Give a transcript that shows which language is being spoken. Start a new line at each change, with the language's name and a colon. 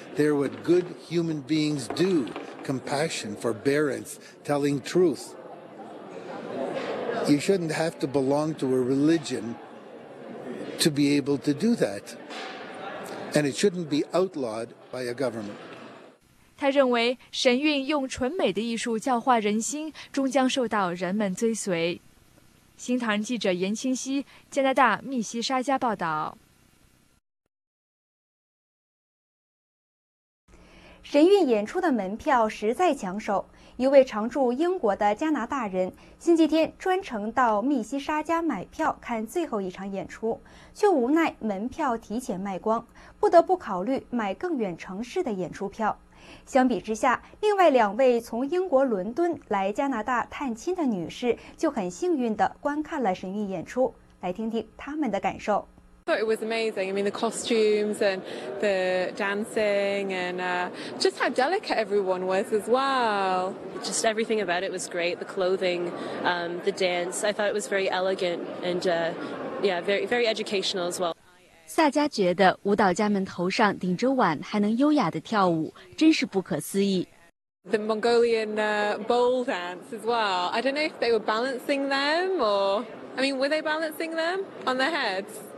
English: They're what good human beings do: compassion, forbearance, telling truth. You shouldn't have to belong to a religion to be able to do that. And it shouldn't be outlawed by a government.
Chinese: 他认为神韵用纯美的艺术教化人心，终将受到人们追随。新唐人记者严清溪，加拿大密西沙加报道。神韵演出的门票实在抢手。一位常住英国的加拿大人星期天专程到密西沙加买票看最后一场演出，却无奈门票提前卖光，不得不考虑买更远城市的演出票。相比之下，另外两位从英国伦敦来加拿大探亲的女士就很幸运地观看了神韵演出，来听听他们的感受。
English: It was amazing. I mean, the costumes and the dancing and just how delicate everyone was as well. Just everything about it was great. The clothing, the dance. I thought it was very elegant and very, very educational as well.
Chinese: 萨加觉得舞蹈家们头上顶着碗还能优雅地跳舞，真是不可思议。
English: The Mongolian bowl dance as well. I don't know if they were balancing them or, I mean, were they balancing them on their heads?